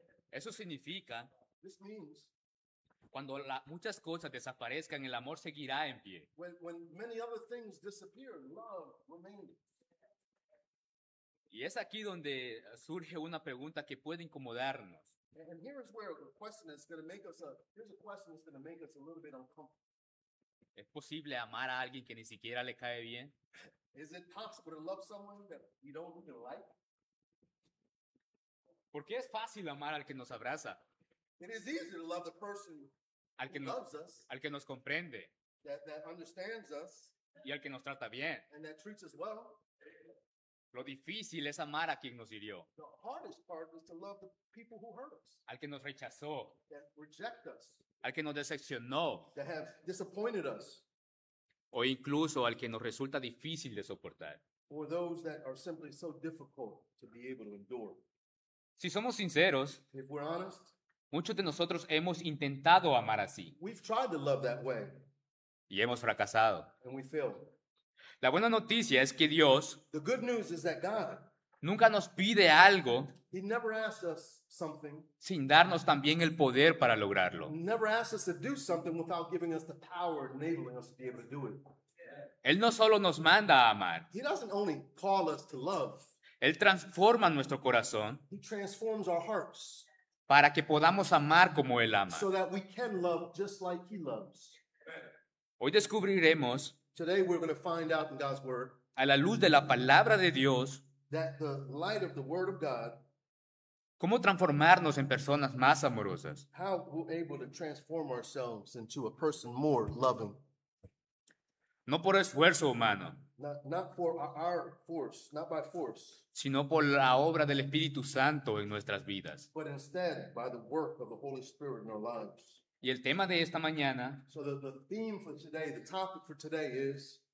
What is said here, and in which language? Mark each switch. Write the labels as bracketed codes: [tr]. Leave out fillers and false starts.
[es] Eso significa, [en] this means, [es] cuando muchas cosas desaparezcan, el amor seguirá en pie. [en] When many other things disappear, love remains. [es] Y es aquí donde surge una pregunta que puede incomodarnos. [en] And here is where a question is going to make us here's a question that's going to make us a little bit uncomfortable. [es] ¿Es posible amar a alguien que ni siquiera le cae bien? [en] Is it possible to love someone that you don't really like? [es] ¿Por qué es fácil amar al que nos abraza? [en] It is easy to love the person who loves us. [es] Al que nos comprende. [en] That understands us. [es] Y al que nos trata bien. [en] And that treats us well. [es] Lo difícil es amar a quien nos hirió. [en] The hardest part is to love the people who hurt us. [es] Al que nos rechazó. [en] That reject us. [es] Al que nos decepcionó. [en] That have disappointed us. [es] O incluso al que nos resulta difícil de soportar. [en] Or those that are simply so difficult to be able to endure. [es] Si somos sinceros, [en] if we're honest, [es] muchos de nosotros hemos intentado amar así. [en] We've tried to love that way. [es] Y hemos fracasado. [en] And we failed. [es] La buena noticia es que Dios, [en] the good news is that God, [es] nunca nos pide algo, [en] he never asks us something, [es] sin darnos también el poder para lograrlo. [en] Never asks us to do something without giving us the power enabling us to be able to do it. [es] Él no solo nos manda a amar. [en] He doesn't only call us to love. [es] Él transforma nuestro corazón, [en] he transforms our hearts, [es] para que podamos amar como Él ama. [en] So that we can love just like he loves. [es] Hoy descubriremos, [en] today we're going to find out in God's word, [es] a la luz de la palabra de Dios, [en] that the light of the word of God, [es] cómo transformarnos en personas más amorosas. [en] How we're able to transform ourselves into a person more loving. [es] No por esfuerzo humano. [en] Not for our force, not by force. [es] Sino por la obra del Espíritu Santo en nuestras vidas. [en] But instead by the work of the Holy Spirit in our lives. [es] Y el tema de esta mañana, [en] so the theme for today, the topic for today is,